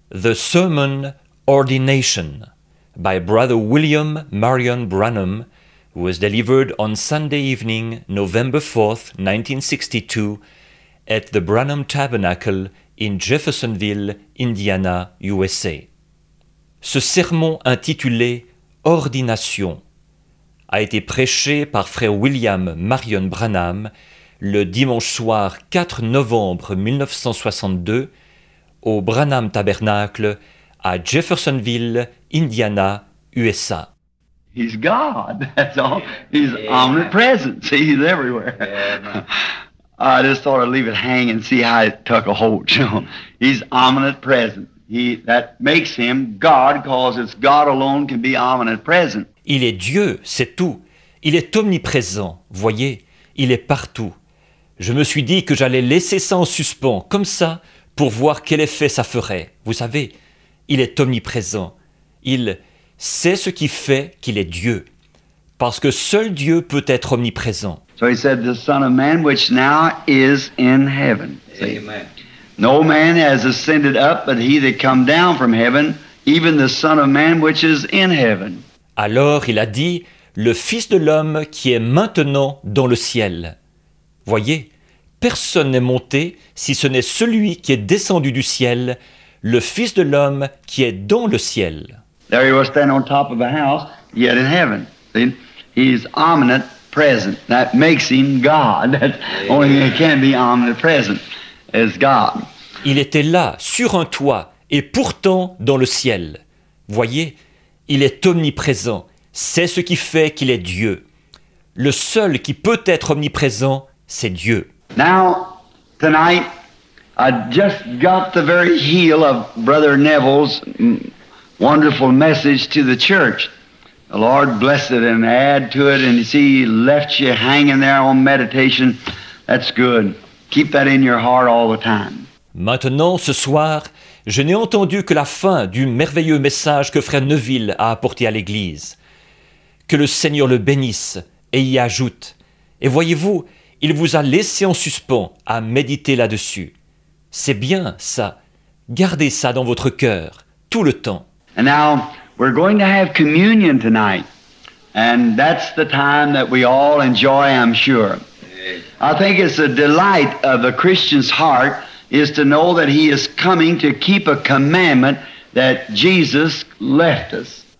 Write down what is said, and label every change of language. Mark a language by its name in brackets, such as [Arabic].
[English] The Sermon Ordination by Brother William Marion Branham was delivered on Sunday evening, November 4, 1962, at the Branham Tabernacle in Jeffersonville, Indiana, USA. [French] Ce sermon intitulé « Ordination » a été prêché par Frère William Marion Branham le dimanche soir 4 novembre 1962 au Branham Tabernacle à Jeffersonville, Indiana, USA. [English] He's God, that's all. He's omnipresent. See, he's everywhere. I just thought I'd leave it hang and see how it took a hold. He's omnipresent. That makes him God, because it's God alone can be omnipresent. [French] Il est Dieu, c'est tout. Il est omniprésent, voyez, il est partout. Je me suis dit que j'allais laisser ça en suspens, comme ça, pour voir quel effet ça ferait. Vous savez, il est omniprésent. Il sait ce qui fait qu'il est Dieu. Parce que seul Dieu peut être omniprésent. [English] So he said, the Son of Man, which now is in heaven. Amen. No man has ascended up, but he that come down from heaven, even the Son of Man, which is in heaven. [French] Alors il a dit, le Fils de l'homme qui est maintenant dans le ciel. Voyez, personne n'est monté si ce n'est celui qui est descendu du ciel, le Fils de l'homme qui est dans le ciel. [English] There he was standing on top of a house, yet in heaven. See? He's omnipresent. That makes him God. Only he can be omnipresent as God. [French] Il était là, sur un toit, et pourtant dans le ciel. Voyez, il est omniprésent. C'est ce qui fait qu'il est Dieu. Le seul qui peut être omniprésent, c'est Dieu. [English] Now, tonight, I just got the very heel of Brother Neville's wonderful message to the church. The Lord bless it and add to it. And you see, he left you hanging there on meditation. That's good. Keep that in your heart all the time. [French] Maintenant, ce soir, je n'ai entendu que la fin du merveilleux message que Frère Neville a apporté à l'Église. Que le Seigneur le bénisse et y ajoute. Et voyez-vous, il vous a laissé en suspens à méditer là-dessus. C'est bien, ça. Gardez ça dans votre cœur, tout le temps. [English] And now, we're going to have communion tonight. And that's the time that we all enjoy, I'm sure. I think it's a delight of a Christian's heart is to know that he is coming to keep a commandment that Jesus left us.